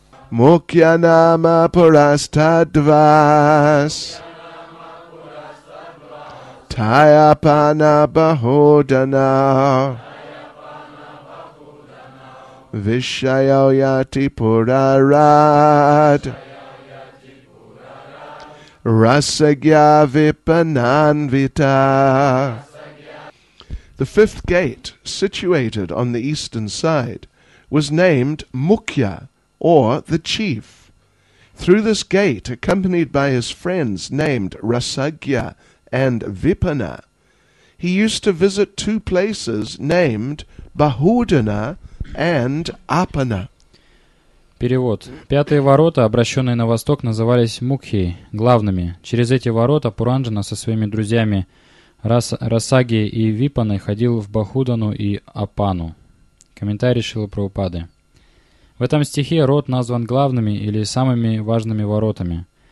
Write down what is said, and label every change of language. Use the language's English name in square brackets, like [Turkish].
[Sanskrit] Мукья нама парастадвас Таяпана бахудана Вишаяо яти пурарад Расагья випананвита. [English] The fifth gate, situated on the eastern side, was named Mukhya, or the chief. Through this gate, accompanied by his friends named Rasagya and Vipana, he used to visit two places named Bahudana and Apana. [Russian] Перевод. Пятые ворота, обращенные на восток, назывались Мукхи, главными. Через эти ворота Паранджана со своими друзьями Расаги и Випаны ходил в Бахудану и Апану. Комментарий Шрилы Прабхупады. В этом стихе рот назван главными или самыми важными воротами.